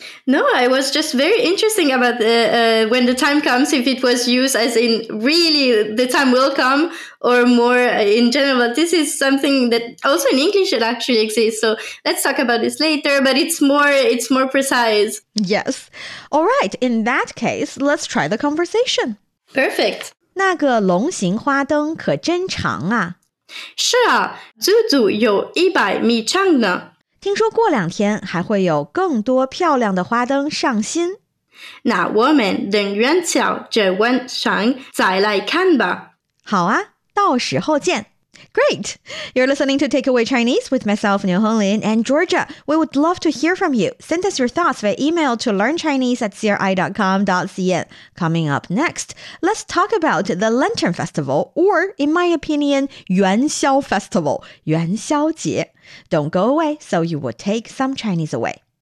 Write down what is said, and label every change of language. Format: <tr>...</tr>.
<en>No, I was just very interesting about the, when the time comes, if it was used as in really the time will come or more in general. This is something that also in English it actually exists. So let's talk about this later, but it's more precise. Yes. All right. In that case, let's try the conversation. Perfect.</en> <zh>那个龙形花灯可真长啊。是啊，足足有一百米长呢。听说过两天还会有更多漂亮的花灯上新。那我们等元宵节晚上再来看吧。好啊，到时候见。</zh> <en>Great! You're listening to Takeaway Chinese with myself, Niu Honglin, and Georgia. We would love to hear from you. Send us your thoughts via email to learnchinese@cri.com.cn. Coming up next, let's talk about the Lantern Festival, or in my opinion, 元宵 Festival, 元宵节. Don't go away, so you will take some Chinese away.</en>